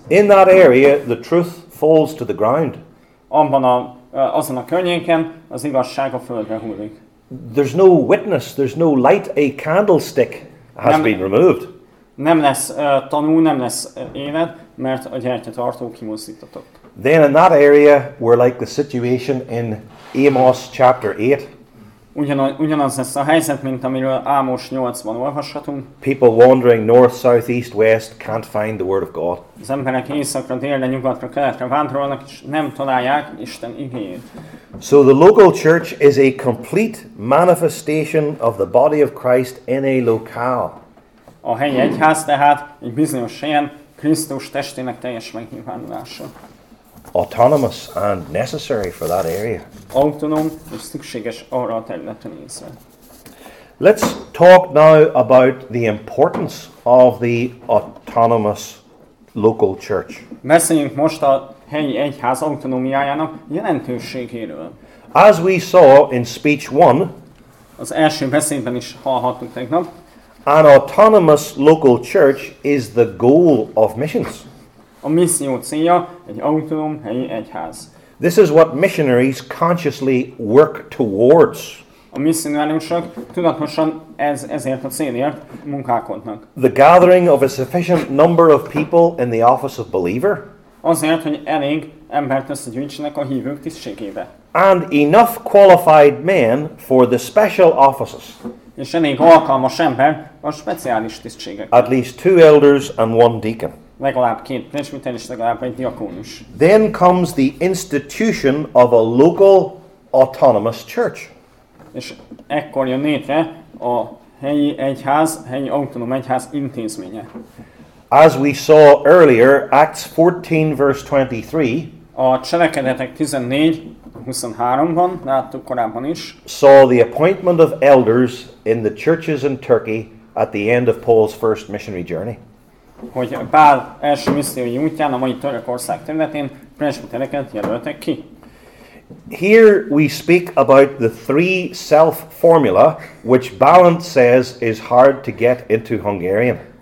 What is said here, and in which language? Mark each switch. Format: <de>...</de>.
<en>in that area the truth falls to the ground.</en> <hu>Abban a, azon a környéken az igazság a földre hullik.</hu> <en>There's no witness, there's no light, a candlestick has been removed.</en> <hu>Nem lesz tanú, nem lesz élet, mert a gyertyatartó kimozdítatott.</hu> <en>Then in that area we're like the situation in Amos chapter 8.</en> <hu>Ugyanaz lesz a helyzet, mint amiről Ámos 8-ban olvashatunk.</hu> <en>People wandering north, south, east, west can't find the word of God.</en> <hu>Az emberek északra, délre, nyugatra, keletre vándorolnak, és nem találják Isten igényét.</hu> <en>So the local church is a complete manifestation of the body of Christ in a locale.</en> <hu>A helyi egyház tehát egy bizonyos helyen Krisztus testének teljes megnyilvánulása.</hu> <en>Autonomous and necessary for that area.</en> <hu>Autonóm és szükséges arra a területre nézve.</hu> <en>Let's talk now about the importance of the autonomous local church.</en> <hu>Beszéljünk most a helyi egyház autonómiájának jelentőségéről.</hu> <en>As we saw in speech 1,</en> <hu>az első beszédben is hallhattuk tegnap,</hu> <en>an autonomous local church is the goal of missions.</en> <hu>A misszió célja egy autonóm helyi egyház.</hu> <en>This is what missionaries consciously work towards.</en> <hu>A misszionáriusok tudatosan ezért a célért munkálkodnak.</hu> <en>The gathering of a sufficient number of people in the office of believer.</en> <hu>Azért, hogy elég embert összegyűjtsenek a hívők tisztségébe.</hu> <en>And enough qualified men for the special offices.</en> <hu>És elég alkalmas ember a speciális tisztségekre.</hu> <en>At least two elders and one deacon.</en> <hu>Legalább két presbiter és legalább egy diakónus.</hu> <en>Then comes the institution of a local autonomous church.</en> <hu>És ekkor jön létre a helyi egyház, helyi autonóm egyház intézménye.</hu> <en>As we saw earlier, Acts 14 verse 23.</en> <hu>A Cselekedetek 14:23-ban láttuk korábban is.</hu> <en>Saw the appointment of elders in the churches in Turkey at the end of Paul's first missionary journey.</en> <hu>Hogy Pál első missziói útján a mai Törökország területén presbitereket jelöltek ki.</hu> <en>Here we speak about the three self formula, which Balint says is hard to get into Hungarian.</en>